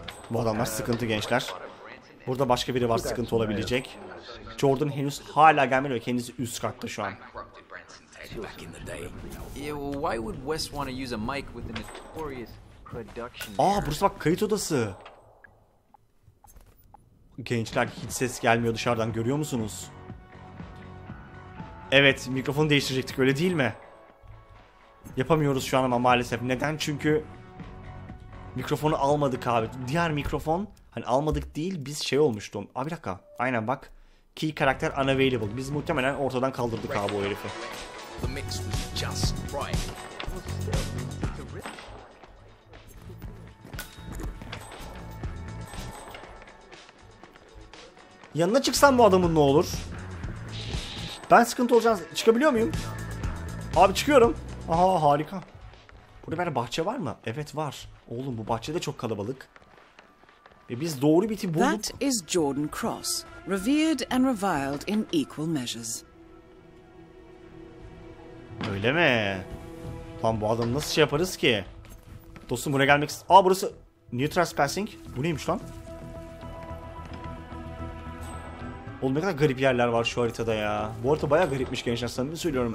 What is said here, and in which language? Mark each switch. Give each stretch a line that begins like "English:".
Turkish: Bu adamlar sıkıntı gençler. Burada başka biri var sıkıntı olabilecek. Jordan henüz hala gelmedi ve kendisi üst katta şu an.
English: Back in the day. Yeah, well, why would West want to use a mic with a notorious production?
Turkish: Aa, burası bak kayıt odası. Gençler hiç ses gelmiyor dışarıdan, görüyor musunuz? Evet, mikrofonu değiştirecektik öyle değil mi? Yapamıyoruz şu an ama maalesef. Neden? Çünkü mikrofonu almadık abi. Diğer mikrofon hani almadık değil, biz şey olmuştu. Abi bir dakika. Aynen bak. Key karakter unavailable. Biz muhtemelen ortadan kaldırdık abi o herifi.
English: The mix was just right.
Turkish: Yanına çıksam bu adamın ne olur? Ben sıkıntı olacağım. Çıkabiliyor muyum? Abi çıkıyorum. Aha harika. Burada bir bahçe var mı? Evet var. Oğlum bu bahçe de çok kalabalık. Ve biz doğru biti bulduk.
English: That is Jordan Cross, revered and reviled in equal measures.
Turkish: Öyle mi? Lan bu adamı nasıl şey yaparız ki? Dostum buraya gelmek istedim. Aa burası New Trespassing. Bu neymiş lan? Oğlum ne kadar garip yerler var şu haritada ya. Bu harita bayağı garipmiş gençler, samimi söylüyorum.